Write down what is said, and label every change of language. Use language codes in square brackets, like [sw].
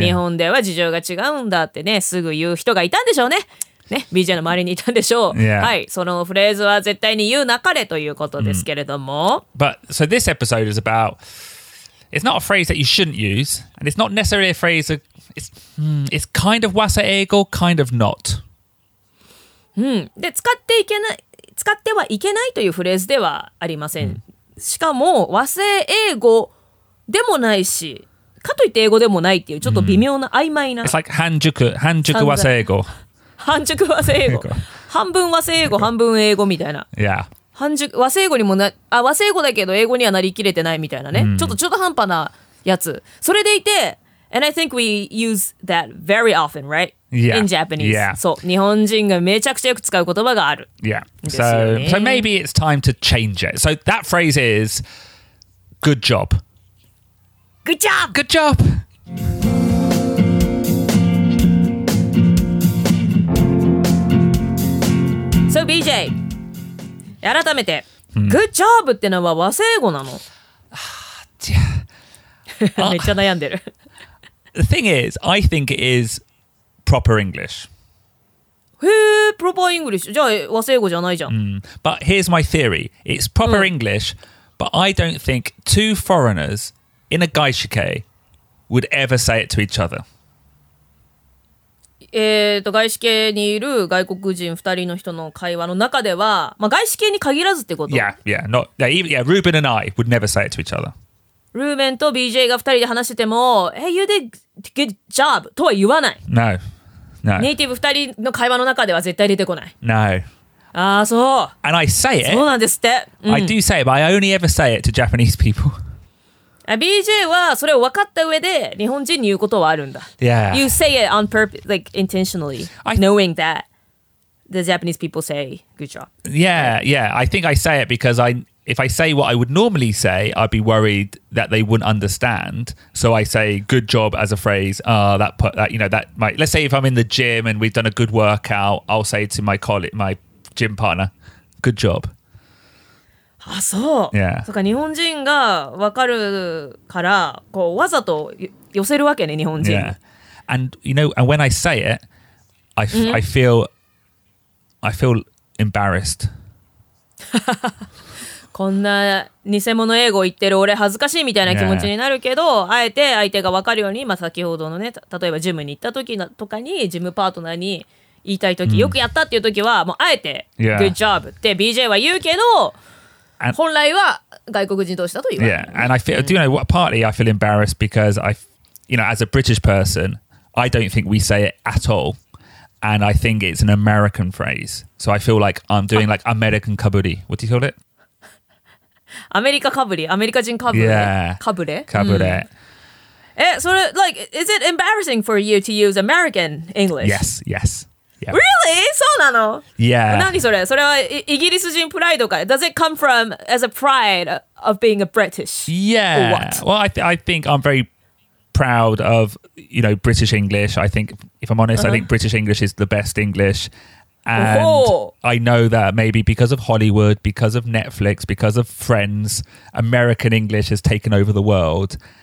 [ja] 日本では事情が違うんだってね、すぐ言う人がいたんでしょうね。ね、BJ の周りにいたんでしょう。 [en] Yeah. [ja] はい、そのフレーズは絶対に言うなかれということですけれども。 [en] But, so this episode is about... It's not a phrase that you shouldn't use, and it's not necessarily a phrase that it's kind of Wase Eigo, kind of not. [ja] で、使ってはいけないというフレーズではありません。しかも、Wase Eigo でもないし、かといって英語でもないっていうちょっと微妙な曖昧な。 [en] It's like 半熟 Wase Eigo。 [ja] 半熟 Wase Eigo。半分 Wase Eigo、半分英語みたいな。 [en] Yeah. [ja] 半熟和製語にもな、あ、和製語だけど英語にはなりきれてないみたいなね、mm. ちょっと半端なやつ。それでいて、 [en] and I think we use that very often, right? Yeah. In Japanese. Yeah. [ja] そう、日本人がめちゃくちゃよく使う言葉がある。 [en] Yeah. So maybe it's time to change it. So that phrase is good job. Good job! Good job! [ja] So BJ,改めて、good job ってのは和製語なの？めっちゃ悩んでる。 [en] The thing is, I think it is proper English. [ja] へぇ、proper English。じゃあ和製語じゃないじゃん。 [en] But here's my theory. It's proper English, but I don't think two foreigners in a 外資系 would ever say it to each other. [ja] 外資系にいる外国人2人の人の会話の中では、まあ、外資系に限らずってこと。 [en] Yeah, yeah, not, yeah, even, yeah, Ruben and I would never say it to each other. [ja] Ruben と BJ が2人で話してても [en] Hey, you did good job [ja] とは言わない。 [en] No, no. [ja] ネイティブ2人の会話の中では絶対出てこない。 [en] No. [ja] ああ、そう。 [en] And I say it. [ja] そうなんですって。 [en] I do say it, but I only ever say it to Japanese people. [ja] BJ はそれを分かった上で日本人に言うことはあるんだ。 [en] Yeah. You say it on purpose, like intentionally, knowing that the Japanese people say good job. Yeah, yeah. I think I say it because if I say what I would normally say, I'd be worried that they wouldn't understand. So I say good job as a phrase. Let's say if I'm in the gym and we've done a good workout, I'll say to my colleague, my gym partner, good job. [ja] あ、そう。 [en] Yeah. [ja] そうか、日本人が分かるからこうわざと寄せるわけね、日本人。 [en] Yeah. And you know, and when I say it, I feel embarrassed. [ja] こんな偽物英語言ってる俺恥ずかしいみたいな気持ちになるけど、yeah. あえて相手が分かるように、まあ、先ほどのね例えばジムに行った時とかにジムパートナーに言いたい時、mm. よくやったっていう時はもうあえて、 [en] yeah. [ja] Good job って BJ は言うけど [en] and, [ja] 本来は外国人同士だと言われる、 [en] yeah. And I feel, do you know, partly I feel embarrassed because I, you know, as a British person, I don't think we say it at all. And I think it's an American phrase. So I feel like I'm doing like American kaburi. What do you call it? [ja] アメリカかぶり、アメリカ人かぶれ、 [en] yeah. [ja] かぶれ、かぶれ。 [en] え、それ、like, is it embarrassing for you to use American English? Yes, yes.、 Yep. Really? [ja] そうなの? [en] Yeah. [ja] 何それ? それはイギリス人プライドか? [en] Does it come from as a pride of being a British? Yeah. Or what? Well, I think I'm very proud of, you know, British English. I think, if I'm honest,、uh-huh. I think British English is the best English. And、 Whoa. I know that maybe because of Hollywood, because of Netflix, because of Friends, American English has taken over the world.